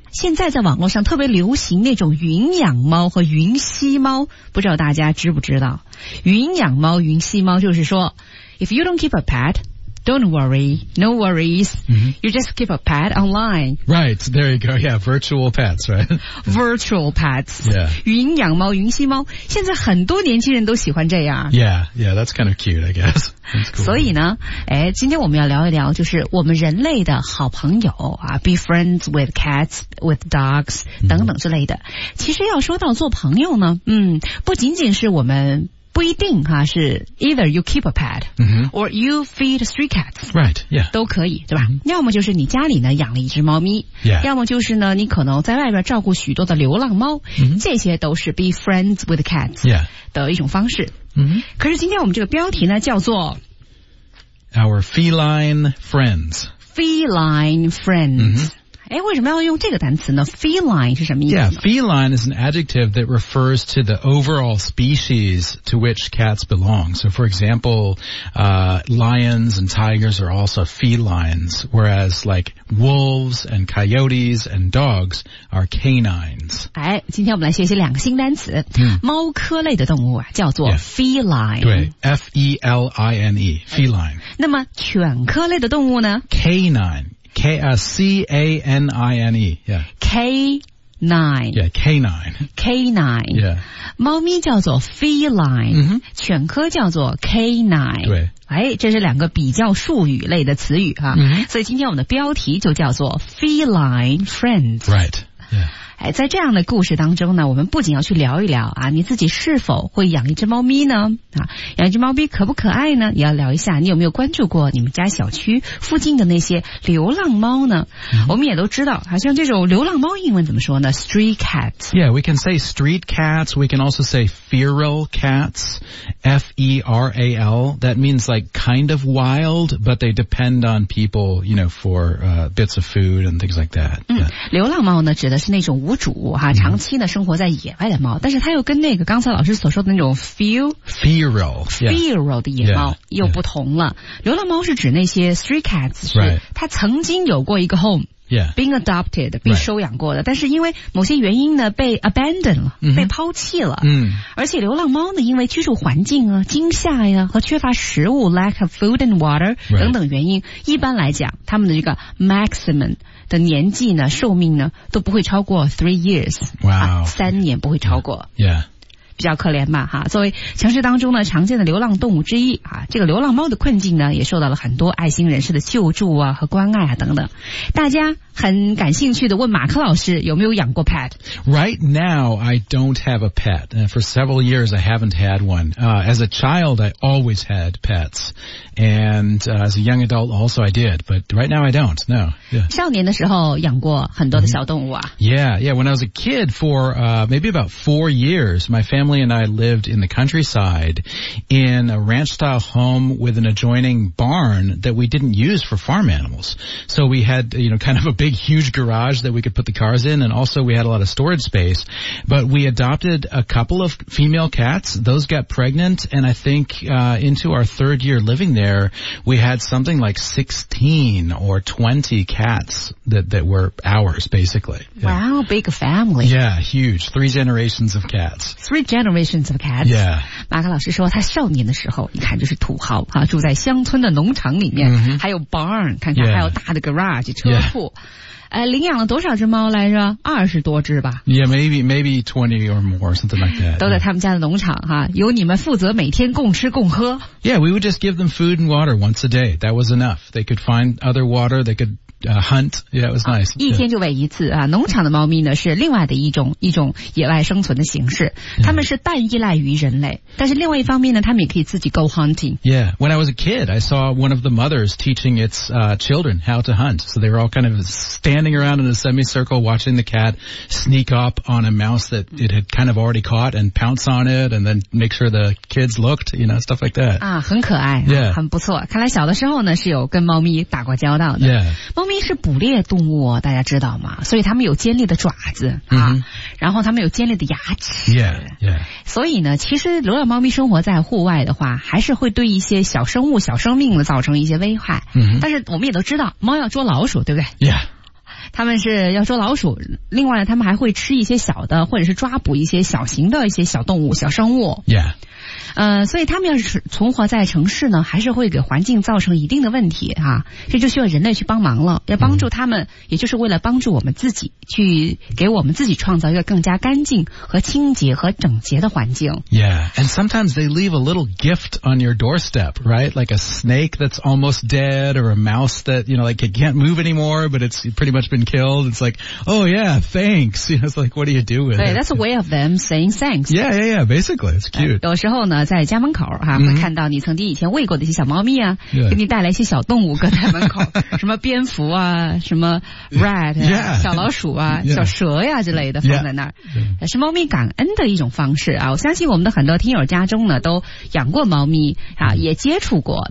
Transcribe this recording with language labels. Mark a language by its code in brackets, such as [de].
[zh] 现在在网络上特别流行那种云养猫和云吸猫，不知道大家知不知道。云养猫云吸猫就是说 [en] If you don't keep a pet, don't worry, no worries,、you just keep a pet online. Right, there you go, yeah, virtual pets, right? Virtual pets,、 yeah. [zh] 云养猫云吸猫，现在很多年轻人都喜欢这样。 [en] Yeah, yeah, that's kind of cute, I guess. Cool. [zh] 所以呢、今天我们要聊一聊就是我们人类的好朋友、 [en] be friends with cats,with dogs [zh] 等等之类的、其实要说到做朋友呢，不仅仅是我们不一定哈、是 [en] either you keep a pet、or you feed stray cats right yeah [zh] 都可以对吧、要么就是你家里呢养了一只猫咪、要么就是呢你可能在外边照顾许多的流浪猫、这些都是 [en] be friends with cats、 [zh] 的一种方式、可是今天我们这个标题呢叫做 [en] our feline friends feline friends、 [zh] 哎，为什么要用这个单词呢 ？Feline 是什么意思呢 [en] ？Yeah, feline is an adjective that refers to the overall species to which cats belong. So, for example,、lions and tigers are also felines, whereas like wolves and coyotes and dogs are canines. [zh] 哎，今天我们来学习两个新单词。猫科类的动物啊，叫做 feline。 [en] 对 ，F-E-L-I-N-E, feline、 [zh] 那么犬科类的动物呢 [en] ？Canine。 C-A-N-I-N-E, yeah. K-9. Yeah. [zh] 猫咪叫做 feline,、犬科叫做 canine. 对。哎，这是两个比较术语类的词语哈、所以今天我们的标题就叫做 [en] feline friends. Right. Yeah. [zh] 哎，在这样的故事当中呢，我们不仅要去聊一聊啊，你自己是否会养一只猫咪呢？啊，养一只猫咪可不可爱呢？也要聊一下，你有没有关注过你们家小区附近的那些流浪猫呢？我们也都知道，好像这种流浪猫英文怎么说呢 ？ [en] Street cats. Yeah, we can say street cats. We can also say feral cats. F-E-R-A-L. That means like kind of wild, but they depend on people, you know, for、bits of food and things like that.、 [zh] 流浪猫呢，指的是那种无主哈、长期呢生活在野外的猫，但是它又跟那个刚才老师所说的那种 feral 的野猫又不同了。流浪猫是指那些 stray cats， 是、它曾经有过一个 home。 [en] Being adopted, [zh] 被收养过的、但是因为某些原因呢被 abandoned 了、被抛弃了、而且流浪猫呢因为居住环境啊惊吓呀、和缺乏食物 [en] lack of food and water、 [zh] 等等原因，一般来讲他们的这个 maximum 的年纪呢寿命呢都不会超过 [en] 3 years、 [zh] 三年不会超过 比较可怜吧哈，作为城市当中呢常见的流浪动物之一啊，这个流浪猫的困境呢也受到了很多爱心人士的救助啊和关爱啊等等。大家很感兴趣的问马克老师有没有养过 pet? [en] Right now, I don't have a pet. For several years, I haven't had one.、as a child, I always had pets. And、as a young adult, also I did. But right now, I don't. No.、 [zh] 少年的时候养过很多的小动物啊。 [en] Yeah. When I was a kid for、maybe about 4 years, my family and I lived in the countryside in a ranch-style home with an adjoining barn that we didn't use for farm animals. So we had, you know, kind of a big, huge garage that we could put the cars in, and also we had a lot of storage space. But we adopted a couple of female cats. Those got pregnant, and I think、into our third year living there, we had something like 16 or 20 cats that were ours, basically.、 Wow, big family. Yeah, huge. Three generations of cats. Three generations of cats. Yeah. [zh] 马克老师说他少年的时候，你看就是土豪、住在乡村的农场里面、还有 barn, 看看、还有大的 garage, 车库。 [en] Yeah. [zh] 领养了多少只猫来着？20多只吧。 [en] Yeah, maybe 20 or more, something like that. [zh] 都在他们家的农场哈，由你们负责每天共吃共喝。 [en] Yeah, we would just give them food and water once a day. That was enough. They could find other water. They could hunt. Yeah, it was nice. [zh] 一天就喂一次啊。农场的猫咪呢是另外的一种野外生存的形式。它们是半依赖于人类。但是另外一方面呢它们也可以自己 [en] go hunting. Yeah, when I was a kid, I saw one of the mothers teaching its, children how to hunt. So they were all kind of standing around in a semicircle watching the cat sneak up on a mouse that it had kind of already caught and pounce on it and then make sure the kids looked, you know, stuff like that. [zh] 啊很可爱。 [en] Yeah. [zh] 很不错。看来小的时候呢是有跟猫咪打过交道的。 [en] Yeah. [zh] 猫咪是捕猎动物大家知道吗所以它们有尖利的爪子、 mm-hmm. 啊、然后它们有尖利的牙齿 [en] yeah, yeah. [zh] 所以呢其实流浪猫咪生活在户外的话还是会对一些小生物小生命的造成一些危害、 mm-hmm. 但是我们也都知道猫要捉老鼠对不对、 [en] yeah. [zh] 他们是要捉老鼠另外他们还会吃一些小的或者是抓捕一些小型的一些小动物小生物 [en] Yeah. [zh] 所以他们要是存活在城市呢还是会给环境造成一定的问题啊这就需要人类去帮忙了要帮助他们、mm. 也就是为了帮助我们自己去给我们自己创造一个更加干净和清洁和整洁的环境 [en] Yeah. And sometimes they leave a little gift on your doorstep, right? Like a snake that's almost dead or a mouse that, you know, like it can't move anymore, but it's pretty muchbeen killed. It's like, oh yeah, thanks. You know, it's like, what do you do with it? That's a way of them saying thanks. Yeah, yeah, yeah. Basically, it's cute. [zh] 有时候呢，在家门口哈，会看到你曾经以前喂过的一些小猫咪啊，给你带来一些小动物搁在门口，什么蝙蝠啊，什么 rat 啊，小老鼠啊，小蛇呀之类的放在那儿，是猫咪感恩的一种方式啊。我相信我们的很多听友家中呢，都养过猫咪啊，也接触过。